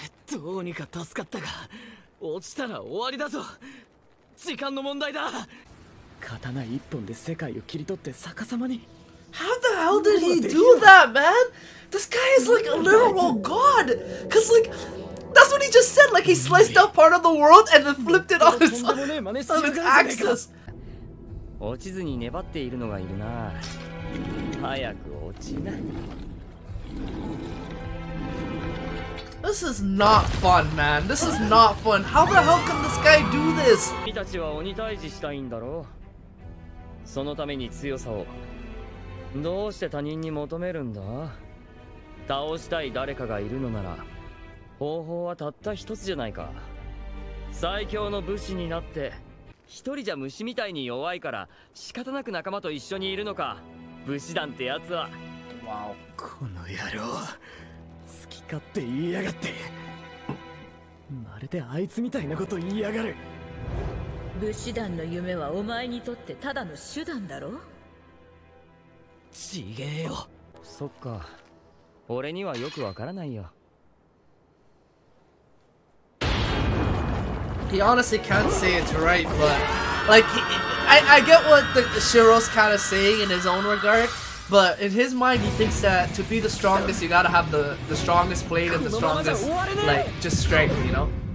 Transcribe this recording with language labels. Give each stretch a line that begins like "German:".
Japanese: どうにか助かったが、落ちたら終わりだぞ。時間の問題だ刀一本で世界を切り取って逆さまに
English: How the hell did he do that, man? This guy is like a literal god! Cause like, that's what he just said! Like he sliced out part of the world and then flipped it on its, on its axis!
Japanese: 落ちずに粘っているのがいるな早く落ちな
English: This is not fun, man. This is not fun. How the hell can this guy do this? You guys are going to fight against the demons, right? So for that, you need strength. Why do you ask for it from others? If someone is trying to kill you, the only way is to become a strong warrior. If you're alone, you're weak like a bee. So you have to be with your friends. The warrior class. Wow. These guys.
Japanese: 好き勝手言いやがってまるであいつみたいなこと言いやがる武士団の夢はお前にとってただの手段だろちげえよそっか俺にはよくわからないよ
English: He honestly can't say it's right but like I get what the Shiro's kind of saying in his own regardBut in his mind, he thinks that to be the strongest, you gotta have the strongest blade and the strongest, like, just strength, you know?